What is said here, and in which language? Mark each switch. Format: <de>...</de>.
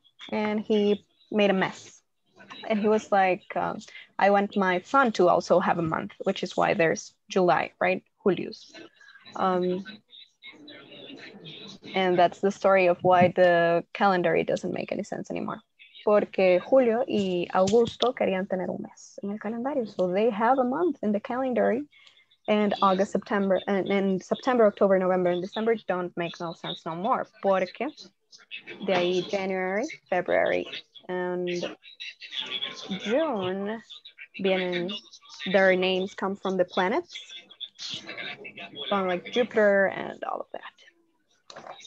<en>And he made a mess. And he was like, I want my son to also have a month, which is why there's July, right? Julius. And that's the story of why the calendar doesn't make any sense anymore.</en> <es>Porque Julio y Augusto querían tener un mes en el calendario.</es> <en>So they have a month in the calendar. And August, September, and September, October, November, and December don't make no sense no more. Porque de ahí January, February, and June, vienen, their names come from the planets, from like Jupiter and all of that.</en>